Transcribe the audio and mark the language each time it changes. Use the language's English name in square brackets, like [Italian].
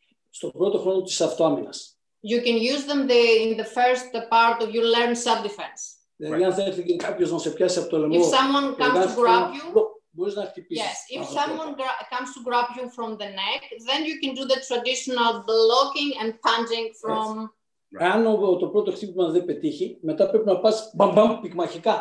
[Greek] Στον πρώτο χρόνο της αυτοάμυνας. [English] You can use them in the first part of you learn self-defense. [Greek] Δηλαδή, αν θέλει και κάποιος να σε πιάσει από το λαιμό... [English] If someone comes to grab you... [Greek] Μπορείς να χτυπήσεις. [English] Yes, if someone comes to grab you from the neck, then you can do the traditional blocking and punching from... [Greek] Αν το πρώτο χτύπημα δεν πετύχει, μετά πρέπει να πας μπαμ-μπαμ πυγμαχικά.